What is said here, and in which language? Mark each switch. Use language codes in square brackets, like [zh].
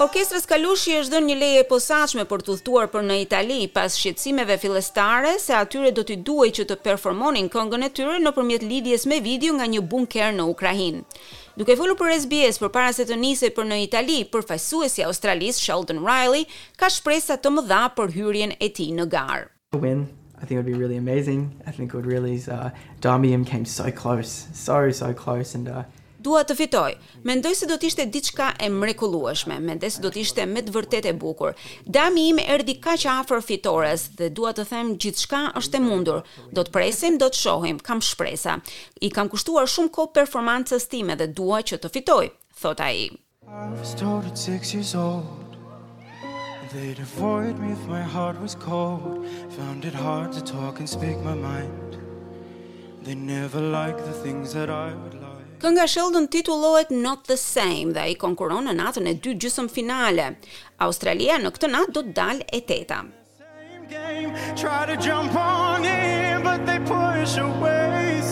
[sq] Orkestrës Kalushi është dhënë një leje e posaçme për të udhëtuar për në Itali pas shqetësimeve fillestare se atyre do t'i duhej që të performonin këngën e tyre nëpërmjet lidhjes me video nga një bunker në Ukrainë. Duke folur për SBS përpara se të nisej për në Itali, përfaqësuesi i Australisë Sheldon Riley ka shpresa të mëdha për hyrjen e tij në garë. [en] Win. I think it would be really amazing. I think it would really Darmium came so close. So close and [sq] Dua të fitoj. Mendoj se do të ishte diçka e mrekullueshme, mendoj se do të ishte me të vërtetë e bukur. Dami im erdhi kaq afër fitores dhe dua të them gjithçka është e mundur. Do të presim, do të shohim, kam shpresa. I kam kushtuar shumë kohë performancës time dhe dua që të fitoj, thot ai. [en] They avoided me if my heart was cold. Found it hard to talk and speak my mind. They never liked the things that I would like. [sq] Kënga Sheldon titullohet Not the Same dhe ai konkuron në natën e dy gjysmë finale. Australia në këtë natë do të dalë e teta.